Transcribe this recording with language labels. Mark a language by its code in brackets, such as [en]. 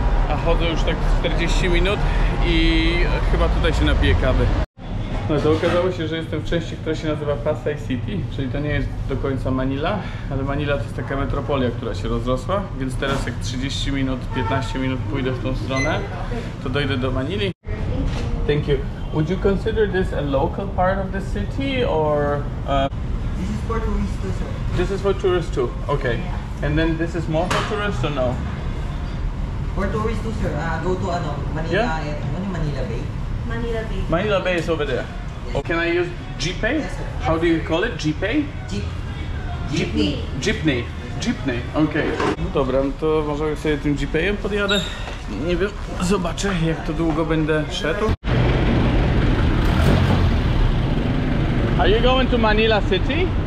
[pl] A chodzę już tak 40 minut i chyba tutaj się napiję kawy. No to okazało się, że jestem w części, która się nazywa Pasay City, czyli to nie jest do końca Manila, ale Manila to jest taka metropolia, która się rozrosła, więc teraz jak 30 minut, 15 minut pójdę w tą stronę, to dojdę do Manili. [en] Thank you. Would you consider this a local part of the city or... This is for tourists too, sir. This is for tourists too, okay. Yeah. And then this is more for tourists or no? For tourists too, sir. Go to Manila, yeah? Manila Bay. Manila Bay. Manila Bay is over there. Yes. Oh, can I use GPay? Yes, sir. How yes, do you call it? GPay? Jeepney. Jeepney. Jeepney, okej. Okay. [pl] Dobra, to może sobie tym GPayem podjadę. Nie wiem, zobaczę jak to długo będę szedł. [en] Are you going to Manila City?